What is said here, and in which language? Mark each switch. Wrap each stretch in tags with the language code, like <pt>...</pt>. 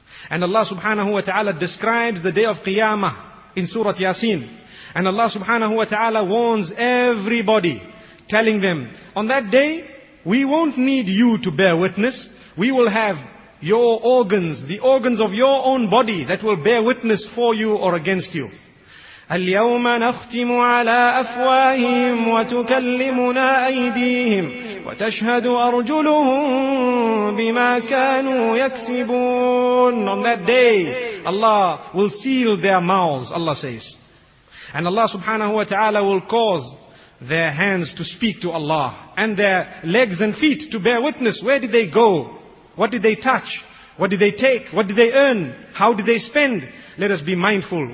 <en>And Allah subhanahu wa ta'ala describes the day of Qiyamah in Surah Yasin. And Allah subhanahu wa ta'ala warns everybody, telling them, on that day, we won't need you to bear witness. We will have your organs, the organs of your own body that will bear witness for you or against you.</en> <ar>اليوم نختم على أفواههم وتكلمنا أيديهم وتشهد أرجلهم بما كانوا يكسبون.</ar> <en>On that day, Allah will seal their mouths, Allah says. And Allah subhanahu wa ta'ala will cause their hands to speak to Allah and their legs and feet to bear witness. Where did they go? What did they touch? What did they take? What did they earn? How did they spend? Let us be mindful.</en>